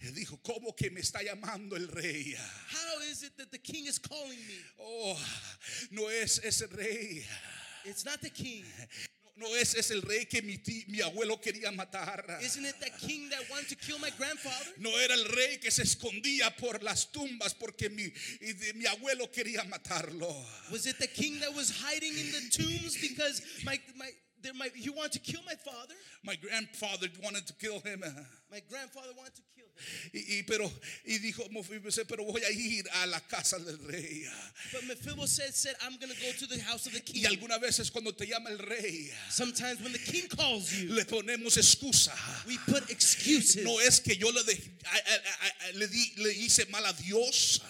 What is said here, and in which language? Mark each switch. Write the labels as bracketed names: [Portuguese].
[Spanish] Dijo, ¿cómo que me está llamando el rey? [English] How is it that the king is calling me? [Spanish] Oh, no es ese rey. [English] It's not the king. [Spanish] No es ese rey que mi abuelo quería matar. [English] Isn't it the king that wanted to kill my grandfather? [Spanish] No era el rey que se escondía por las tumbas porque mi abuelo quería matarlo. [English] Was it the king that was hiding in the tombs because he wanted to kill my father? My grandfather wanted to kill him. My grandfather wanted to kill him. [Spanish] Y dijo Mefiboset, pero voy a ir a la casa del rey. [English] But Mephibosheth said, I'm going to go to the house of the king. [Spanish] Y algunas veces cuando te llama el rey, [English] sometimes when the king calls you, [Spanish] le ponemos excusa. [English] We put excuses. [Spanish] No es que yo le hice mal a Dios.